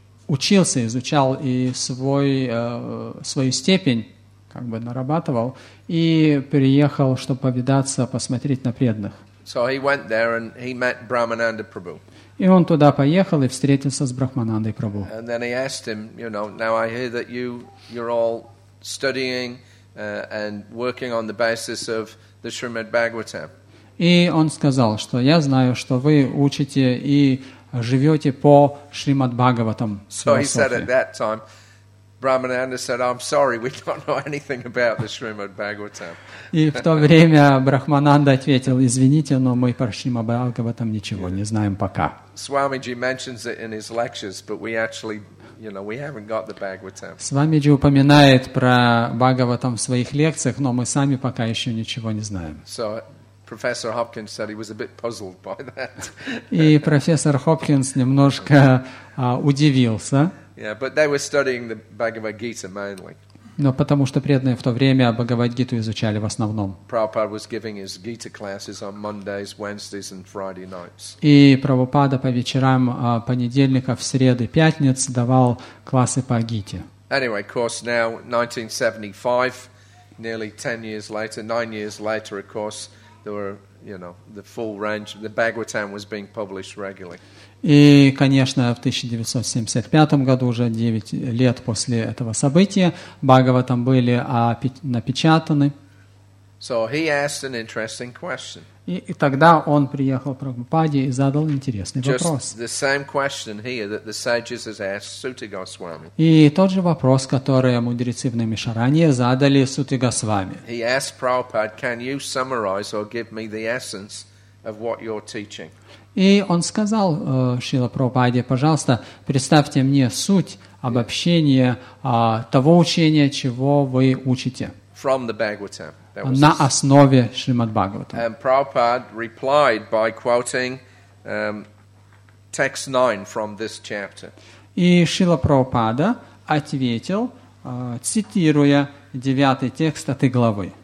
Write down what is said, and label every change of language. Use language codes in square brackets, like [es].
[ru] учился, изучал и свою степень как бы нарабатывал, и приехал, чтобы повидаться, посмотреть на преданных. [en] So he went there and he met Brahmananda Prabhu. [ru] И он туда поехал и встретился с Брахманандой Прабху. [en] And then he asked him, you know, now I hear that you're all studying and working on the basis of the Srimad Bhagavatam. [ru] И он сказал, что я знаю, что вы учите и живете по Шримад Бхагаватам. [en] So he said at that time, Brahmananda said, I'm sorry, we don't know anything about the Srimad Bhagavatam. [ru] И в то время Брахмананда ответил, извините, но мы про Шримад Бхагаватам ничего не знаем пока. [en] Swamiji mentions it in his lectures, but we actually, you know, we haven't got the Bhagavatam. [ru] Swamiji упоминает про Бхагаватам в своих лекциях, но мы сами пока еще ничего не знаем. [en] So Professor Hopkins said he was a bit puzzled by that. [ru] И профессор Хопкинс немножко удивился. [en] Yeah, but they were studying the Bhagavad Gita mainly. [ru] Но потому что преданные в то время Бхагавад-гиту изучали в основном. [en] Prabhupada was giving his Gita classes on Mondays, Wednesdays and Friday nights. [ru] И Прабхупада по вечерам понедельников, среды, пятниц давал классы по Гите. [en] Anyway, of course, now 1975, nearly 10 years later, 9 years later, of course, there were, you know, the full range, the Bhagavatam was being published regularly. [ru] И, конечно, в 1975 году, уже 9 лет после этого события, Бхагаватам были напечатаны. [en] So he asked an interesting question. [ru] И тогда он приехал к Прабхупаде и задал интересный вопрос. [en] The same question here that the sages has asked Suta Goswami. [ru] И тот же вопрос, который мудрецы в Наймишаране задали Суте Госвами. [en] He asked Prabhupada, can you summarize or give me the essence of what you're teaching? [ru] И он сказал Шрила Прабхупаде, пожалуйста, представьте мне суть обобщения того учения, чего вы учите. [en] From the Bhagavatam. [ru] На основе Шримад Бхагаватам. [en] And Prabhupada replied by quoting text 9 from this chapter. [ru] И Шрила Прабхупада ответил, цитируя 9-й текст этой главы.